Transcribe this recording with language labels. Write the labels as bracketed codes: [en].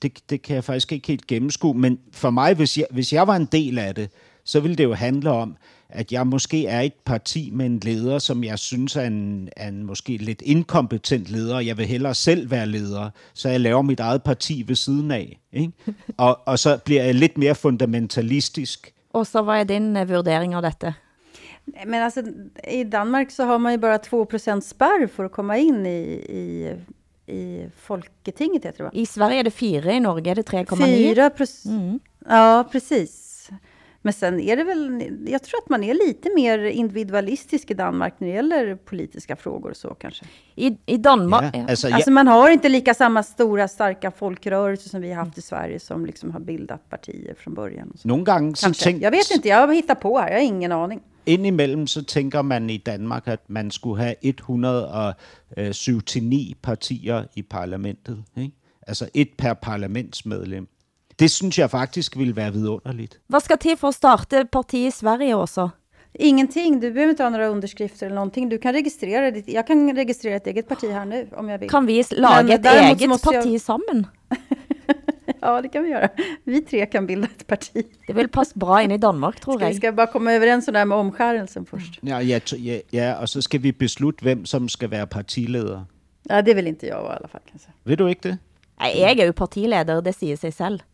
[da] Det kan jeg faktisk ikke helt gennemskue, men for mig, hvis jeg var en del af det, så ville det jo handle om, at jeg måske er et parti med en leder, som jeg synes er en måske lidt inkompetent leder, og jeg vil hellere selv være leder, så jeg laver mit eget parti ved siden af. Ikke? Og så bliver jeg lidt mere fundamentalistisk. Og så, hvad er din vurdering af dette? [sv] Men altså, i Danmark så har man ju bara 2% spärr för att komma in i Folketinget, jag tror. I Sverige är det 4, i Norge är det 3,9. 4%. Mm. Ja, precis. Men sen är det väl, jag tror att man är lite mer individualistisk i Danmark när det gäller politiska frågor och så kanske. I Danmark? Ja, alltså man har inte lika samma stora starka folkrörelser som vi har haft i Sverige som liksom har bildat partier från början. Någon gång så tänkte... Jag vet inte, jag har hittat på här, jag har ingen aning. [da] Indimellem så tænker man i Danmark, at man skulle have 179 partier i parlamentet. Ikke? Altså et per parlamentsmedlem. Det synes jeg faktisk ville være vidunderligt. Hvad skal til for at starte parti i Sverige også? Ingenting. Du behøver ikke have nogen underskrifter eller någonting. Du kan registrere dit. Jeg kan registrere et eget parti her nu, om jeg vil. [no] Kan vi lage et eget parti sammen? [sv] Ja, det kan vi göra. Vi tre kan bilda ett parti. Det vill passa bra in i Danmark, tror jag. Ska bara komma överens om det här med omskärelsen först. Ja, och så ska vi besluta vem som ska vara partiledare. Ja, det vill inte jag i alla fall kanske. Vill du inte? Nej, jag är ju partiledare, det säger sig själv.